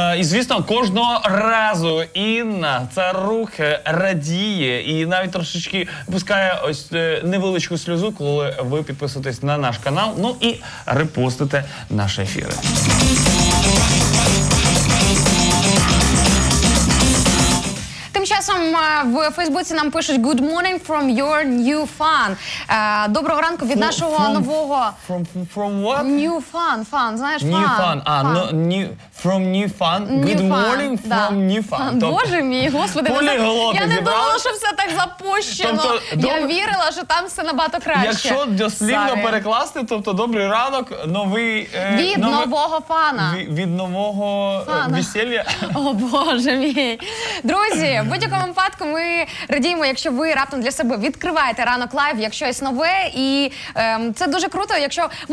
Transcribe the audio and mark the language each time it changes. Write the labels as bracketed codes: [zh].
[uk] І, звісно, кожного разу Інна це рух радіє і навіть трошечки пускає ось невеличку сльозу, коли ви підписуйтесь на наш канал, ну і репостите наші ефіри. Тим часом в Фейсбуці нам пишуть [en] «Good morning from your new fan». [uk] Доброго ранку від нашого нового... [en] From what? New fan, [uk] знаєш, [en] fan. New fan, new... from Newfound. Good morning from Newfound. [uk] Да. Боже мій, господи, поліглоти, я не думала, що все так запущено. Тобто, я вірила, що там все набагато краще. Якщо дослівно перекласти, тобто добрий ранок, новий... нового фана. Від нового фана. Весілля. О, Боже мій. Друзі, в будь-якому випадку ми радіємо, якщо ви раптом для себе відкриваєте Ранок Лайв, якщо є нове, і це дуже круто, якщо...